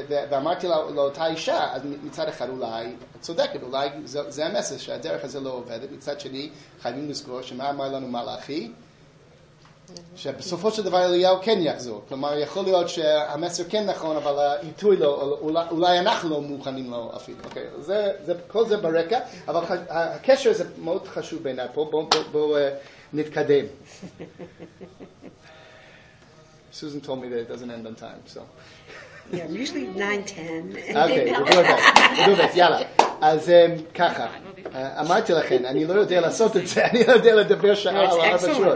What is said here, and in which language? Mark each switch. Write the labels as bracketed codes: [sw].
[he] ואמרתי לאותה אישה, אז מצד אחד אולי צודקת, אולי זה המסר שהדרך הזה לא עובדת, מצד שני חייבים לזכור שמה אמר לנו מלאכי, שבסופו של דבר אליהו כן יחזור, כלומר יכול להיות שהמסר כן נכון, אבל העיתוי לא, אולי אנחנו לא מוכנים לו אפילו, כל זה ברקע, אבל הקשר הזה מאוד חשוב בעיניי, בואו נתקדם. [en] Susan told me that it doesn't end on time, so. Yeah, usually 9:10. Okay, we'll do it. Yala. [he] אז ככה, אמרתי לכן, אני לא יודע לעשות את זה, אני לא יודע לדבר שעה על ארבע שעות.